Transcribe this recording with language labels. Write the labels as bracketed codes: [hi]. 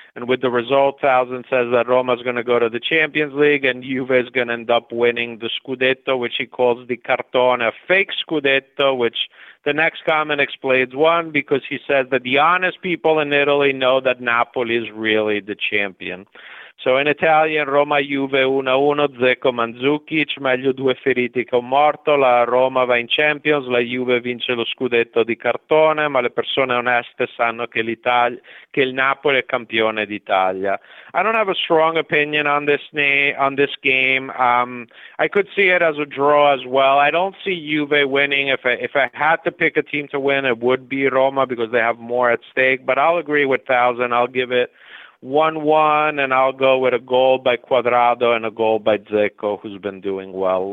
[en] And with the result, 1,000 says that Roma's going to go to the Champions League and Juve is going to end up winning the Scudetto, which he calls the cartone, a fake Scudetto, which the next comment explains one, because he says that the honest people in Italy know that Napoli is really the champion. So in Italian, [it] Roma Juve 1-1, Dzeko Mandzukic, meglio due feriti che un morto, la Roma va in Champions, la Juve vince lo scudetto di cartone, ma le persone oneste sanno che il Napoli è campione d'Italia. [en] I don't have a strong opinion on this game. I could see it as a draw as well. I don't see Juve winning. If I had to pick a team to win, it would be Roma because they have more at stake, but I'll agree with 1,000. I'll give it 1-1, and I'll go with a goal by Cuadrado and a goal by Dzeko, who's been doing well.